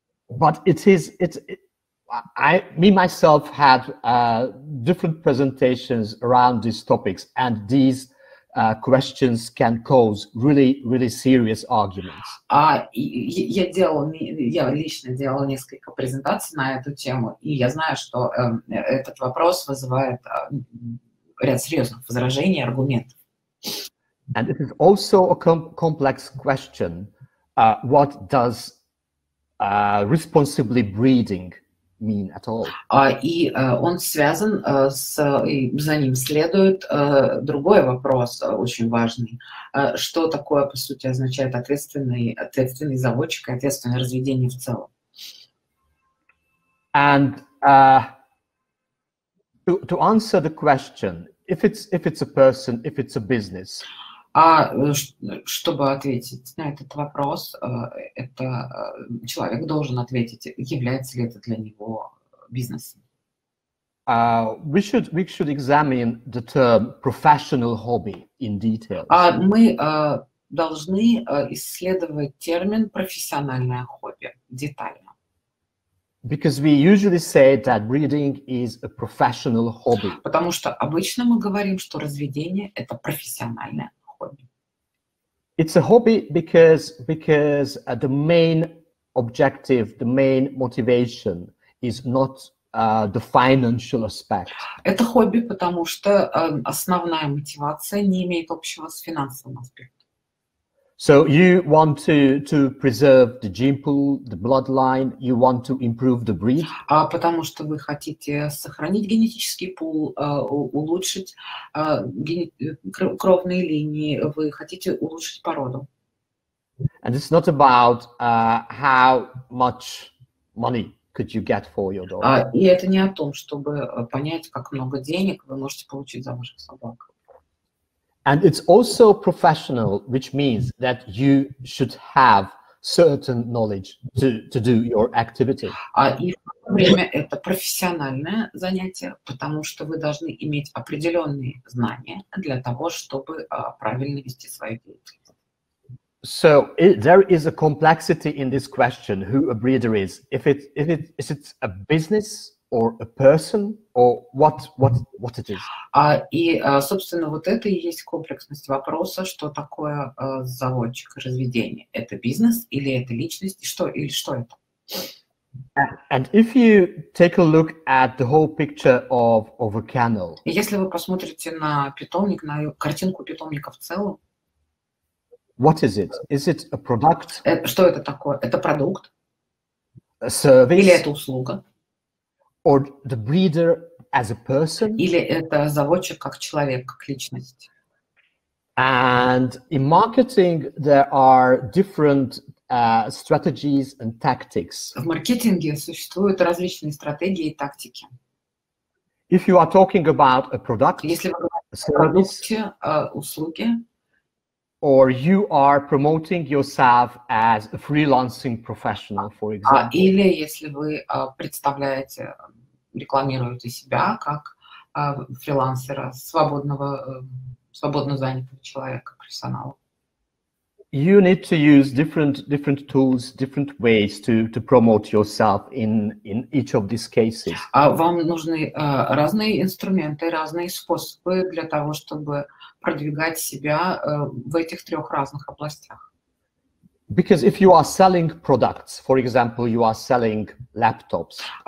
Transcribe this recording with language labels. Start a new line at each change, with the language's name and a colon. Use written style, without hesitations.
English: But it is. I myself had different presentations around these topics, and these questions can cause really, really serious arguments.
Russian: Я лично делал несколько презентаций на эту тему, и я знаю, что этот вопрос вызывает ряд серьезных возражений, аргументов.
English: And it is also a complex question. What does responsibly breeding mean at all?
Russian: Он связан с, за ним следует другой вопрос, очень важный. Что такое, по сути, означает ответственный заводчик и ответственное разведение в целом?
English: And to answer the question, If it's a person, if it's a business.
Russian: Чтобы ответить на этот вопрос, это человек должен ответить, является ли это для него бизнесом.
English: We should examine the term professional hobby in detail.
Russian: Мы должны исследовать термин профессиональное хобби детально.
English: Because we usually say that breeding is a professional hobby.
Russian: Потому что обычно мы говорим, что разведение – это профессиональное хобби.
English: It's a hobby because the main objective, the main motivation is not the financial aspect.
Russian: Это хобби, потому что основная мотивация не имеет общего с финансовым аспектом.
English: So you want to preserve the gene pool, the bloodline, you want to improve the breed?
Russian: А потому что вы хотите сохранить генетический пул, улучшить кровные линии, вы хотите улучшить породу.
English: And it's not about how much money could you get for your dog.
Russian: И это не о том, чтобы понять, как много денег вы можете получить за ваших собак.
English: And it's also professional, which means that you should have certain knowledge to do your activity.
Russian: И в то же время это профессиональное занятие, потому что вы должны иметь определенные знания для того, чтобы правильно вести свою деятельность.
English: So there is a complexity in this question: who a breeder is? Is it a business? Or a person, or what it is?
Russian: Собственно, вот это и есть комплексность вопроса, что такое заводчик разведения? Это бизнес или это личность? Что это?
English: And if you take a look at the whole picture of a kennel.
Russian: Если вы посмотрите на питомник, на картинку питомника в целом.
English: What is it? Is it a product?
Russian: Что это такое? Это продукт?
English: A service?
Russian: Или это услуга?
English: Or the breeder as a person?
Russian: Или это заводчик как человек, как личность?
English: And in marketing there are different strategies and tactics.
Russian: В маркетинге существуют различные стратегии и тактики.
English: If you are talking about a product,
Russian: если вы говорите о продукте, услуге,
English: or you are promoting yourself as a freelancing professional, for example.
Russian: Или если вы представляете рекламируете себя как фрилансера, свободно занятого человека, профессионала.
English: You need to use different tools, different ways to promote yourself in each of these cases.
Russian: Вам нужны разные инструменты, разные способы для того, чтобы продвигать себя в этих трех разных областях.
English: Because if you are selling products, for example, you are selling laptops.